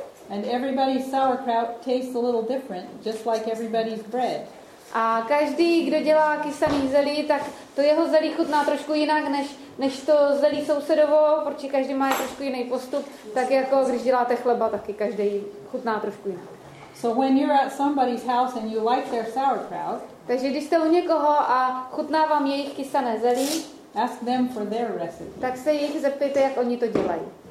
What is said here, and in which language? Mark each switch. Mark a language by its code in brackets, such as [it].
[en] And everybody's sauerkraut tastes a little different, just like everybody's bread. [cs] A každý, kdo dělá kysaný zelí, tak to jeho zelí chutná trošku jinak, než to zelí sousedovo, protože každý má trošku jiný postup, tak jako když děláte chleba, taky každý chutná trošku jinak. [en] So when you're at somebody's house and you like their sauerkraut, [cs] takže když jste u někoho a chutná vám jejich kysané zelí, [en] ask them for their recipe. [cs] Tak se jich zeptejte, jak oni to dělají.